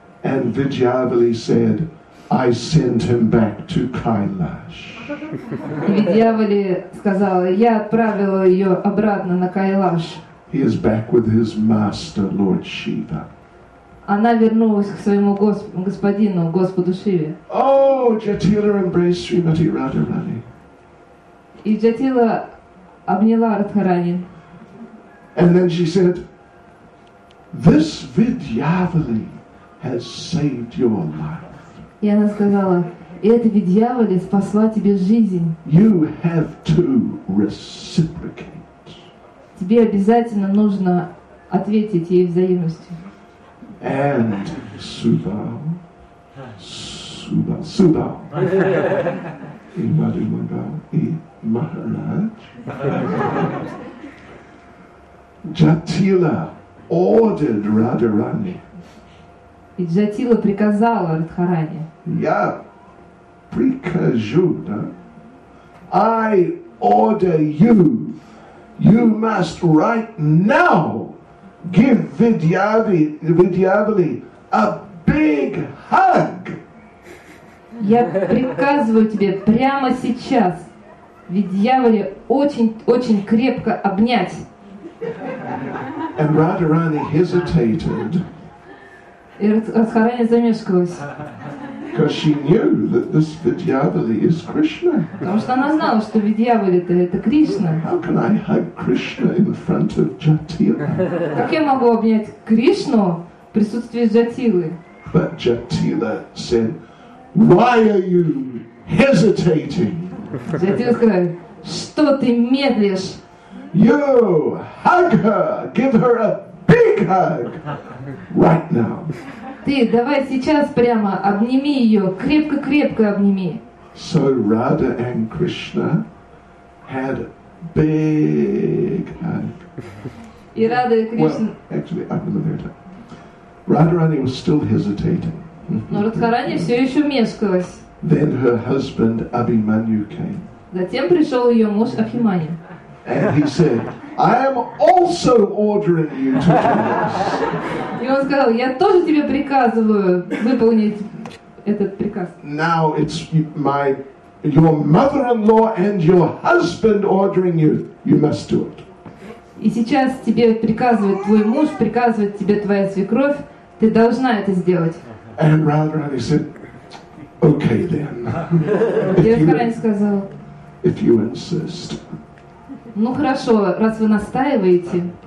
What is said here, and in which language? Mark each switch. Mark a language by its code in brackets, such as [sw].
[en] And Vidyavali said, I send him back to Kailash. [ru] Vidyavali сказала, я отправила ее обратно на Кайлаш. [en] He is back with his master, Lord Shiva. [ru] Она вернулась к своему господину, Господу Шиве. [en] Oh, Jatila embraced Srimati Radharani. [ru] И Jatila обняла Радхарани. [en] And then she said, this Vidyavali has saved your life. [ru] И она сказала, эта Видьявали спасла тебе жизнь. [en] You have to reciprocate. [ru] Тебе обязательно нужно ответить ей взаимностью. [en] And Subha. [ru] И Мадхумангал, и Махарадж. [en] Jatila ordered Radharani. [ru] И Jatila приказала Радхарани. [en] Yeah, [ru] прикажу, да? [en] I order you. You must right now give Vidyavali a big hug. [ru] Я приказываю тебе прямо сейчас Vidyavali очень-очень крепко обнять. [en] And Radharani hesitated. [ru] И Радхарани замешкалась. [en] Because she knew that this Vidyavali is Krishna. [ru] Потому что она знала, что Vidyavali это Кришна. [en] How can I hug Krishna in front of Jatila? [ru] Как я могу обнять Кришну в присутствии Джатилы? [en] But Jatila said, "Why are you hesitating?" [ru] Джатила сказала: "Что ты медлишь?" [en] You hug her, give her a big hug right now. [ru] Ты давай сейчас прямо обними ее, крепко-крепко обними. [en] So Radha and Krishna had big hug. [ru] И Радха и Кришна. [en] Well, actually, I'm gonna leave it. Radharani was still hesitating. [ru] Но Радхарани все еще мешкалась. [en] Then her husband Abhimanyu came. [ru] Затем пришел ее муж Абхиманью. [en] And he said, "I am also ordering you to do this." [ru] И он сказал, я тоже тебе приказываю выполнить этот приказ. [en] Now it's your mother-in-law and your husband ordering you. You must do it. [ru] И сейчас тебе приказывает твой муж, приказывает тебе твоя свекровь, ты должна это сделать. [en] And Radharani said, "Okay then." [ru] Радхарани сказал, [en] "If you insist." [ru] Ну хорошо, раз вы настаиваете.